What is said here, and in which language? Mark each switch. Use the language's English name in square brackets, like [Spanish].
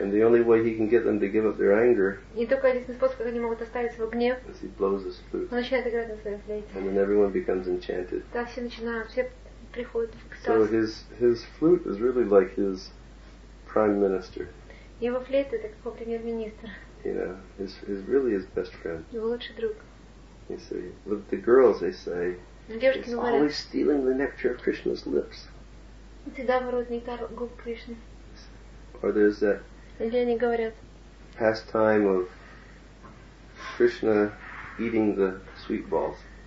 [English] And the only way he can get them to give up their anger. [Russian] И только единственный способ, как они могут оставить свой гнев. [English] Is he blows his flute. [Russian] Он начинает играть на своей флейте. [English] And then everyone becomes enchanted. [Russian] Да, все начинают, все приходят в экстаз. [English] So his flute is really like his prime minister. [Russian] Его флейта это как его премьер-министр. [English] You know, is really his best friend. [Russian] Его лучший друг. [English] You see, but the girls they say, he's always stealing the nectar of Krishna's lips. [Russian] Всегда ворует нектар губ Кришны. [English] Or there's that pastime of Krishna eating the sweet balls.